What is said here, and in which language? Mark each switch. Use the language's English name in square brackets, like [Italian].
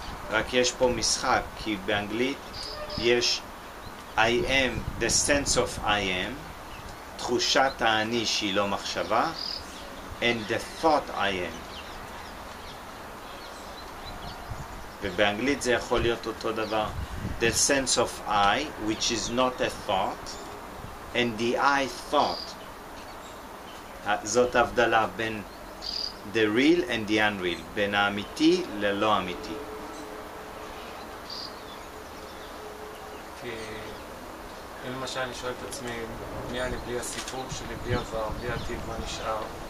[Hebrew] רק יש פה משחק, כי באנגלית יש [English] I am, the sense of I am, [Hebrew] תחושת האני שהיא לא מחשבה, [English] and the thought I am. [Hebrew] ובאנגלית זה יכול להיות אותו דבר. [English] The sense of I, which is not a thought, and the I thought. [Hebrew] זאת הבדלה בין [English] the real and the unreal, [Hebrew] בין האמיתי ללא אמיתי. כי למשל אני שואל את עצמי, מי אני בלי הסיפור שלי, בלי עבר, בלי עתיד, מה נשאר?